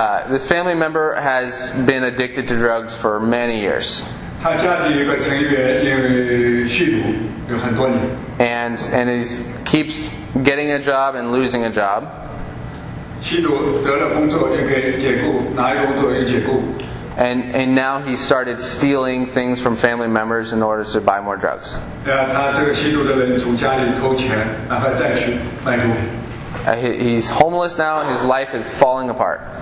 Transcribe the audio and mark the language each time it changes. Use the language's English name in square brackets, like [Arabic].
[English] This family member has been addicted to drugs for many years. [Chinese] 他家里有个成员因为吸毒有很多年。 [English] And he keeps getting a job and losing a job. [Chinese] 吸毒得了工作又给解雇，哪一个工作又解雇。 [English] And now he started stealing things from family members in order to buy more drugs. He's homeless now and his life is falling apart.